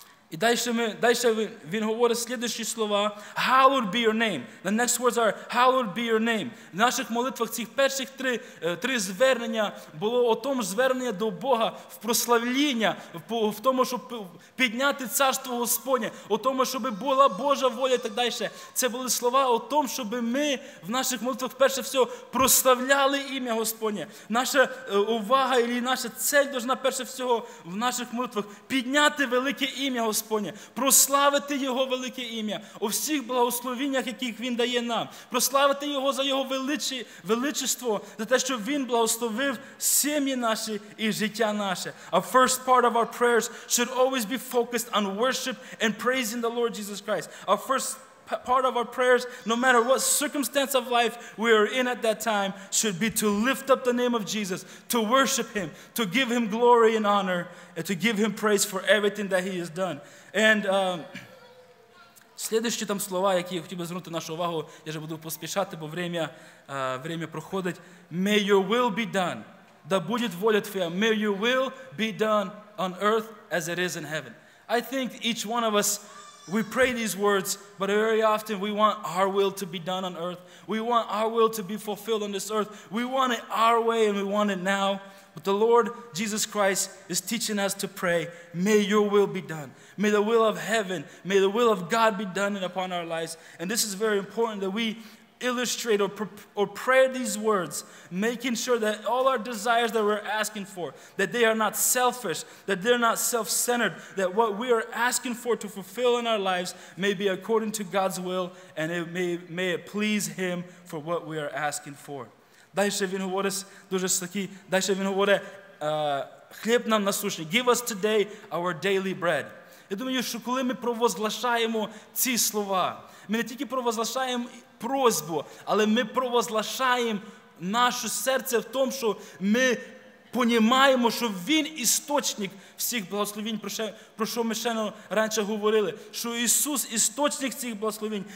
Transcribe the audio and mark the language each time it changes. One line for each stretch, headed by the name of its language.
Ukrainian: І далі він говорить слідуючі слова.
English: Hallowed be your name. The next words are hallowed be your name.
Ukrainian: В наших молитвах цих перших три звернення було о тому звернення до Бога в прославління, в тому, щоб підняти царство Господнє, о тому, щоб була Божа воля і так далі. Це були слова о тому, щоб ми в наших молитвах перше все прославляли ім'я Господнє. Наша увага і наша цель повинна перше всього в наших молитвах підняти велике ім'я Господнє. Господнє, прославити Його велике ім'я у всіх благословіннях, яких Він дає нам, прославити Його за Його величество, за те, що Він благословив сім'ї наші і життя наше.
English: A first part of our prayers should always be focused on worship and praising the Lord Jesus Christ. A first part of our prayers, no matter what circumstance of life we are in at that time, should be to lift up the name of Jesus, to worship Him, to give Him glory and honor, and to give Him praise for everything that He has done. And
Ukrainian: следующие там слова, які я хотів би звернути нашу увагу, я вже буду поспішати, бо время проходить.
English: May your will be done.
Russian: Да будет воля Твоя.
English: May your will be done on earth as it is in heaven. I think each one of us, we pray these words, but very often we want our will to be done on earth. We want our will to be fulfilled on this earth. We want it our way and we want it now. But the Lord Jesus Christ is teaching us to pray, may your will be done. May the will of heaven, may the will of God be done upon our lives. And this is very important that we illustrate or pray these words, making sure that all our desires that we're asking for, that they are not selfish, that they're not self-centered, that what we are asking for to fulfill in our lives may be according to God's will, and it may it please Him for what we are asking for.
Ukrainian: Дальше він говорить дуже слухи. Дальше він говорить, хліб нам насущний. Give us today our daily bread. Я думаю, що коли ми провозглашаємо ці слова, ми не тільки провозглашаємо просьбу, але ми провозглашаємо наше серце в тому, що ми понімаємо, що Він істочник всіх благословінь, про що ми ще раніше говорили, що Ісус істочник цих благословінь.